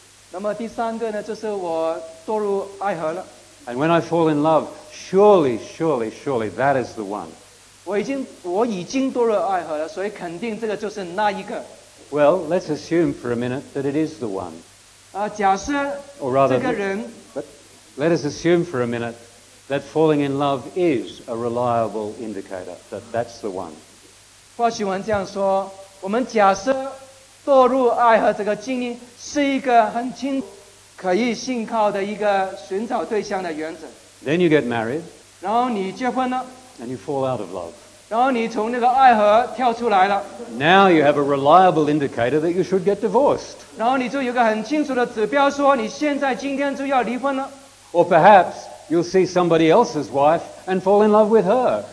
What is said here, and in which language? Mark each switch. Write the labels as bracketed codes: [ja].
[zh] 那么第三个呢，就是我堕入爱河了。 [en] And when I fall in love, surely, surely, surely, that is the one. [zh] 我已经堕入爱河了，所以肯定这个就是那一个。 [en] Well, let's assume for a minute that it is the one. [zh] 假设 [en] Or rather, [zh] 这个人。 [en] But let us assume for a minute that falling in love is a reliable indicator that that's the one. [zh] 或许我们这样说，我们假设。堕入爱河这个经历是一个很清可以信靠的一个寻找对象的原则。 [en] Then you get married. [zh] 然后你结婚了。 [en] And you fall out of love. [zh] 然后你从那个爱河跳出来了。 [en] Now you have a reliable indicator that you should get divorced. [zh] 然后你就有个很清楚的指标说你现在今天就要离婚了。 [en] Or perhaps you'll see somebody else's wife and fall in love with her.